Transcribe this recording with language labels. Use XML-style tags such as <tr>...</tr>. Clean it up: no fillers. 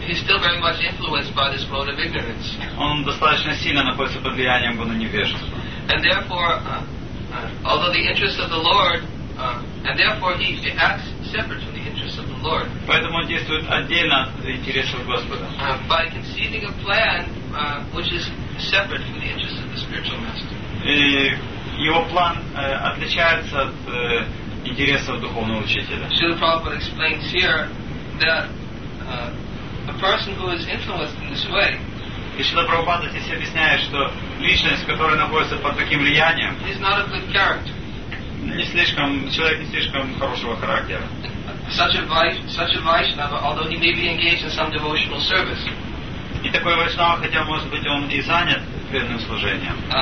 <en>He's still very much influenced by this mode of ignorance.</en> <ru>Он достаточно сильно находится под влиянием гуна невежества.</ru> <en>And therefore, although the interests of the Lord and therefore he acts separate from the interests of the Lord.</en> <ru>Поэтому он действует отдельно от интересов Господа.</ru> <en>By conceiving a plan which is separate from the interests of the spiritual master.</en> <ru>И его план отличается от интересов духовного учителя.</ru> <en>Srila Prabhupada explains here that a person who is influenced in this way.</en> <ru>И Шрила Прабхупада здесь объясняет, что личность, которая находится под таким влиянием,</ru> <en>is not a good character.</en> <ru>Не слишком, человек не слишком хорошего характера.</ru> <en>Such a Vaishnava, although he may be engaged in some devotional service.</en> <ru>И такой Вайшнава, хотя может быть он и занят преданным служением.</ru>